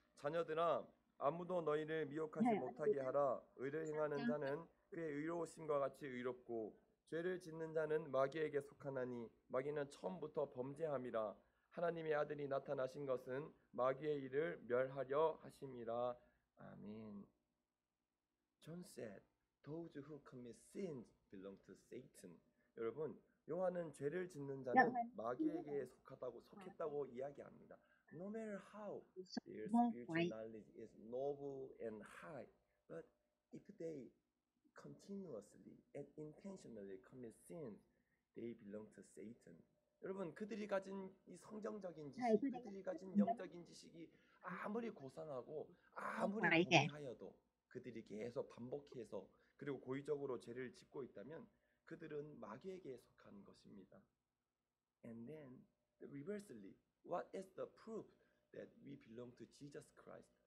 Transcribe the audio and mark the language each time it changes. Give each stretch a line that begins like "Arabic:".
Korean: 자녀들아, 아무도 너희를 미혹하지 못하게 하라. 의를 행하는 자는 그의 의로우심과 같이 의롭고 죄를 짓는 자는 마귀에게 속하나니 마귀는 처음부터 범죄함이라. 하나님의 아들이 나타나신 것은 마귀의 일을 멸하려 하심이라. 아멘.
English: John said, "Those who commit sins belong to Satan."
Korean: 여러분, 요한은 죄를 짓는 자는 마귀에게 속했다고 이야기합니다.
English: No matter how their spiritual knowledge is noble and high, but if they continuously and intentionally commit sins, they belong to Satan.
Korean: 여러분, 그들이 가진 이 성경적인 지식, 그들이 가진 영적인 지식이 아무리 고상하고 아무리 공하여도 그들이 계속 반복해서 그리고 고의적으로 죄를 짓고 있다면 그들은 마귀에게 속한 것입니다.
English: And then reversely, what is the proof that we belong to Jesus Christ?